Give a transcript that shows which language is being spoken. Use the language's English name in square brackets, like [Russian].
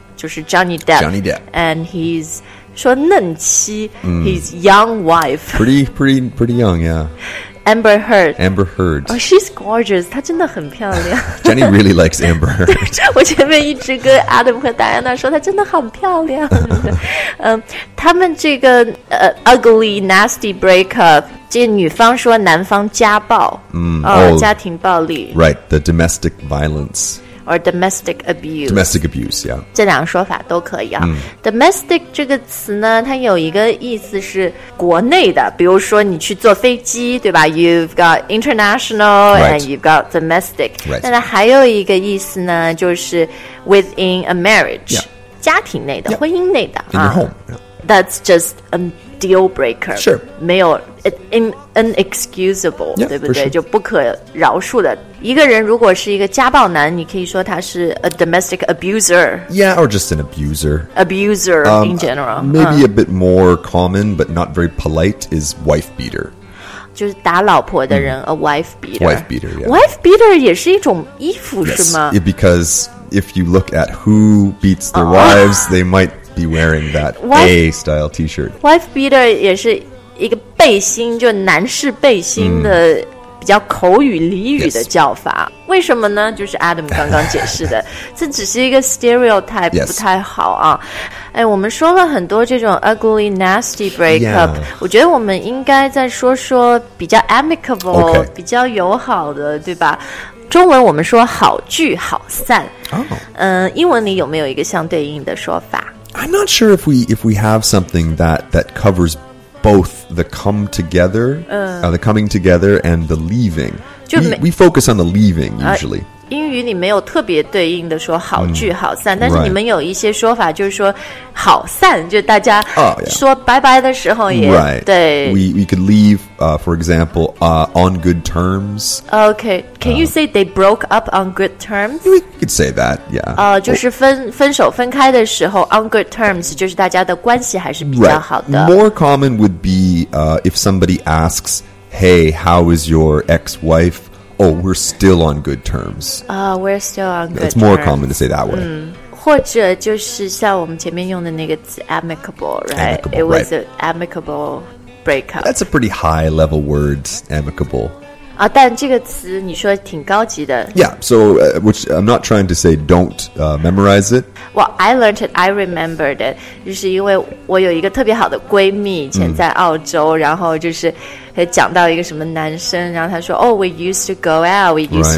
[Chinese] 就是 Johnny Depp [English] and he's [Chinese] 说嫩妻、mm. [English] he's young wife pretty young yeah Amber Heard oh she's gorgeous [Chinese] 她真的很漂亮 [English] Jenny really likes Amber Heard [Chinese] 我前面一直跟 Adam 和 Diana 说她真的很漂亮他们这个、 [English] ugly nasty breakup [Chinese] 这女方说男方家暴、家庭暴力 [English] right the domestic violence or domestic abuse domestic abuse yeah [Chinese] 这两个说法都可以啊、mm. domestic 这个词呢它有一个意思是国内的比如说你去坐飞机对吧 [English] you've got international、 right. and you've got domestic、 right. [Chinese] 但是还有一个意思呢就是 [English] within a marriage、 yeah. [Chinese] 家庭内的、 yeah. 婚姻内的 [English] in your home、yeah. that's just a deal breaker sure [Chinese] 没有 inexcusable、 [English] yeah, [Chinese] 对不对、 [English] sure. [Chinese] 就不可饶恕的一个人如果是一个家暴男你可以说他是 [English] a domestic abuser Yeah, or just an abuser Abuser in general Maybe a bit more common but not very polite is wife beater [Chinese] 就是打老婆的人、mm. [English] a wife beater Wife beater,、yeah. [Chinese] wife beater 也是一种衣服、 [English] yes. [Chinese] 是吗 [English] Because if you look at who beats their wives they might be wearing that A-style t-shirt [Chinese] Wife beater 也是一个背心就男士背心的、mm. 比较口语俚语的叫法、 [English] yes. [Chinese] 为什么呢就是 Adam 刚刚解释的这只是一个 stereotype、 [English] yes. [Chinese] 不太好啊哎，我们说了很多这种 [English] ugly nasty breakup、 yeah. [Chinese] 我觉得我们应该再说说比较 amicable、 [English] okay. [Chinese] 比较友好的对吧中文我们说好聚好散、 [English] oh. [Chinese] 英文里有没有一个相对应的说法 [English] I'm not sure if we have something that covers bBoth the come together,、the coming together and the leaving. We focus on the leaving, usually.、 [Chinese] 英语里没有特别对应的说好聚好散、 [English] mm, [Chinese] 但是你们有一些说法就是说好散、 [English] right. [Chinese] 就大家说拜拜的时候也、 [English] oh, yeah. [Chinese] 对 [English] we could leave,、for example,、on good terms. Okay, can you say they broke up on good terms? We could say that, yeah.、 [Chinese] 就是 分手分开的时候 [English] on good terms [Chinese] 就是大家的关系还是比较好的。 [English] Right. More common would be、if somebody asks, hey, how is your ex-wife? Oh, we're still on good terms. We're still on good terms. It's more common to say that way.、 [Chinese] 或者就是像我们前面用的那个词 amicable, right? [English] Amicable, It was right. an amicable breakup. That's a pretty high level word, amicable.、 [Chinese] 但这个词你说挺高级的。 [English] Yeah, so、which I'm not trying to say don't、memorize it. Well, I learned it, I remembered it. [Chinese] 就是因为我有一个特别好的闺蜜以前在澳洲、然后就是他讲到一个什么男生然后他说 [English] Oh, we used to go out, we used、